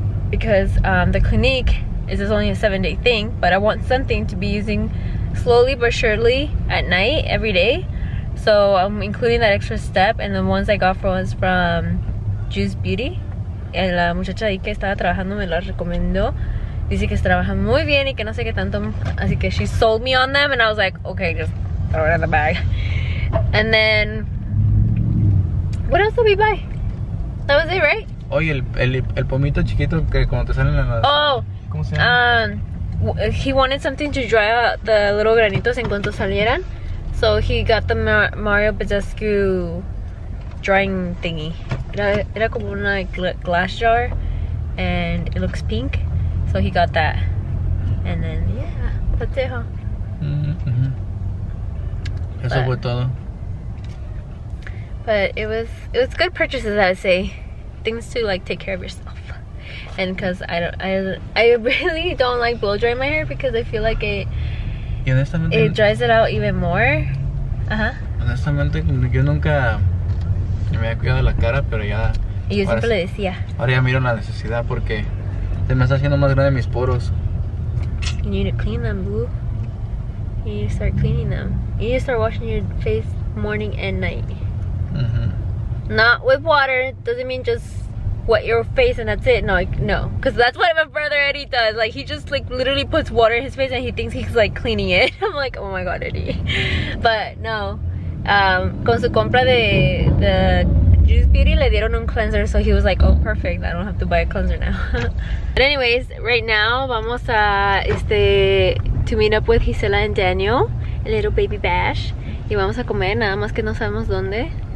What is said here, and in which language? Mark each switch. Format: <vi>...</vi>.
<en>Because the clinique, this is only a 7-day thing, but I want something to be using slowly but surely at night, every day. So I'm including that extra step, and the ones I got was from Juice Beauty.</en> <es>And la muchacha ahí que estaba trabajando me la recomendó. Dice que se trabajan muy bien y que no sé qué tanto. Así que</es> <en>she sold me on them, and I was like, okay, just throw it in the bag. And then, what else did we buy? That was it, right?</en> <es>Oye, el pomito chiquito que cuando te salen en la... Oh, ¿cómo se llama?</es> <en>He wanted something to dry out the little granitos</en> <es>en cuanto salieran.</es> <en>So he got the Mario Badescu drying thingy.</en> <es>Era como una</es> <en>glass jar, and it looks pink. So he got that. And then, yeah, that's it, huh?</en> <es>Mm-hmm. Eso fue todo.</es> <en>But it was good purchases, I would say. Things to like take care of yourself. And because I really don't like blow drying my hair because I feel like it dries it out even more. Uh-huh.</en> <es>Honestamente, yo nunca me había cuidado la cara, pero ya... Y yo siempre le decía. Ahora ya miro la necesidad porque se me está haciendo más grande mis poros.</es> <en>You need to clean them, boo. You need to start cleaning them. You need to start washing your face morning and night. Mm-hmm. Not with water. Doesn't mean just wet your face and that's it. No, no. Because that's what my brother Eddie does. Like, he just, like, literally puts water in his face and he thinks he's, like, cleaning it. I'm like, oh my god, Eddie. But, no.</en> <es>Con su compra de</es> <en>the Juice Beauty, le dieron un cleanser. So, he was like, oh, perfect. I don't have to buy a cleanser now. But anyways, right now,</en> <es>vamos a,</es> <en>to meet up with Gisela and Daniel. A little baby bash.</en> <es>Y vamos a comer, nada más que no sabemos dónde.</es>